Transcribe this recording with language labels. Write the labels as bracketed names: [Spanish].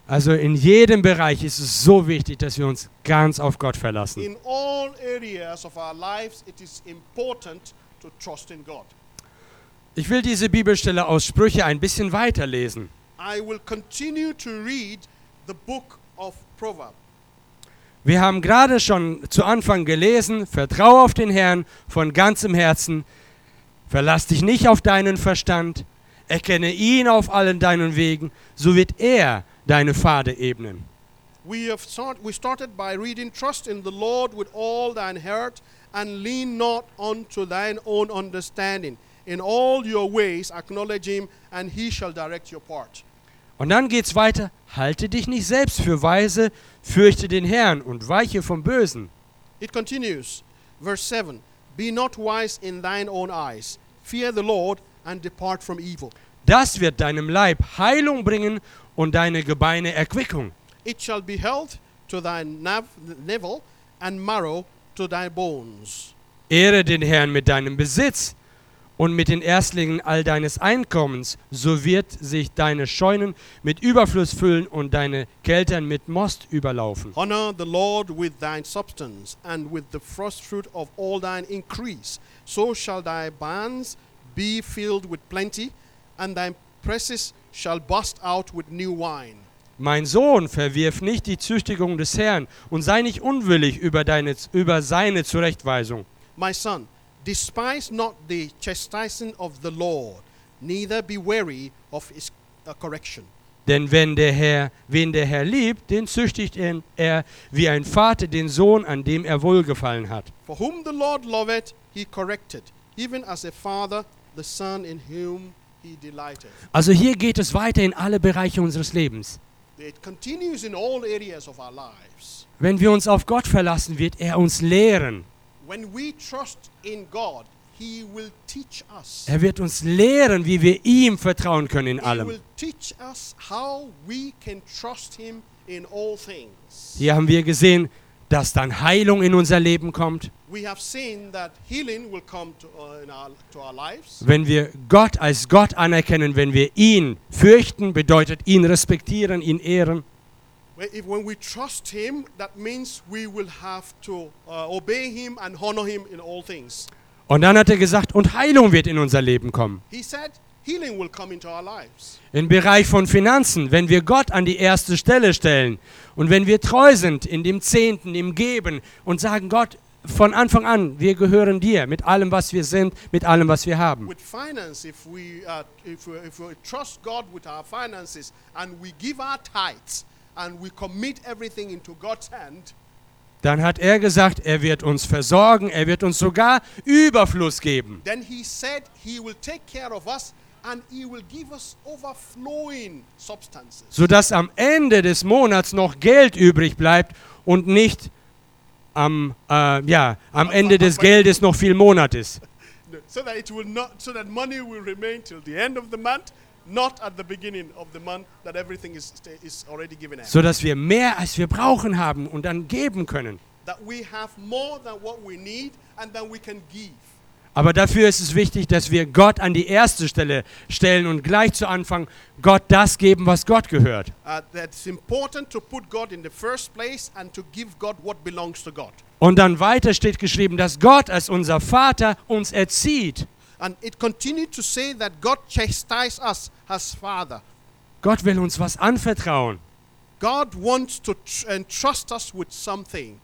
[German] Also in jedem Bereich ist es so wichtig, dass wir uns ganz auf Gott verlassen. [English] In all areas of our lives, it is important to trust in God. [German] Ich will diese Bibelstelle aus Sprüche ein bisschen weiterlesen. [English] I will continue to read the book of Proverbs. [German] Wir haben gerade schon zu Anfang gelesen, vertrau auf den Herrn von ganzem Herzen, verlass dich nicht auf deinen Verstand, erkenne ihn auf allen deinen Wegen, so wird er deine Pfade ebnen. [English] We started by reading, trust in the Lord with all thine heart and lean not unto thine own understanding. In all your ways acknowledge him and he shall direct your path. [German] Und dann geht's weiter. Halte dich nicht selbst für weise, fürchte den Herrn und weiche vom Bösen. [English] It continues. Verse 7. Be not wise in thine own eyes. Fear the Lord and depart from evil. [German] Das wird deinem Leib Heilung bringen und deine Gebeine Erquickung. [English] It shall be health to thine navel and marrow to thy bones. [German] Ehre den Herrn mit deinem Besitz und mit den Erstlingen all deines Einkommens, so wird sich deine Scheunen mit Überfluss füllen und deine Keltern mit Most überlaufen. [English] Honor the Lord with thine substance and with the first fruit of all thine increase. So shall thy barns be filled with plenty and thy presses shall burst out with new wine. [German] Mein Sohn, verwirf nicht die Züchtigung des Herrn und sei nicht unwillig über seine Zurechtweisung. [English] My son, despise not the chastising of the Lord, neither be weary of his correction. [German] Denn wen der Herr liebt, den züchtigt er wie ein Vater den Sohn, an dem er wohlgefallen hat. [English] For whom the Lord loveth, he corrected, even as a father the son in whom he delighted. [German] Also hier geht es weiter in alle Bereiche unseres Lebens. [English] It continues in all areas of our lives. [German] Wenn wir uns auf Gott verlassen, wird er uns lehren. [English] When we trust in God, he will teach us. [German] Er wird uns lehren, wie wir ihm vertrauen können in allem. [English] He will teach us how we can trust him in all things. [German] Hier haben wir gesehen, dass dann Heilung in unser Leben kommt. [English] We have seen that healing will come to our lives. [German] Wenn wir Gott als Gott anerkennen, wenn wir ihn fürchten, bedeutet ihn respektieren, ihn ehren. [English] When we trust him, that means we will have to obey him and honor him in all things. [German] Und dann hat er gesagt, und Heilung wird in unser Leben kommen. [English] He said, healing will come into our lives. [German] Im Bereich von Finanzen, wenn wir Gott an die erste Stelle stellen und wenn wir treu sind in dem Zehnten, im Geben und sagen, Gott, von Anfang an, wir gehören dir mit allem, was wir sind, mit allem, was wir haben. [English] With finance, if we trust God with our finances and we give our tithes, and we commit everything into God's hand, [German] dann hat er gesagt, er wird uns versorgen, er wird uns sogar Überfluss geben. [English] Then he said he will take care of us and he will give us overflowing substances. [German] So dass am Ende des Monats noch Geld übrig bleibt und nicht am Ende des Geldes noch viel Monat ist. [English] So that money will remain till the end of the month. Not at the beginning of the month that everything is already given out. [German] So dass wir mehr als wir brauchen haben und dann geben können. [English] That we have more than what we need and then we can give. [German] Aber dafür ist es wichtig, dass wir Gott an die erste Stelle stellen und gleich zu Anfang Gott das geben, was Gott gehört. [English] That's important to put God in the first place and to give God what belongs to God. [German] Und dann weiter steht geschrieben, dass Gott als unser Vater uns erzieht. [English] And it continued to say that God chastises us as father. [German] Gott will uns was anvertrauen. [English] God wants to entrust us with something.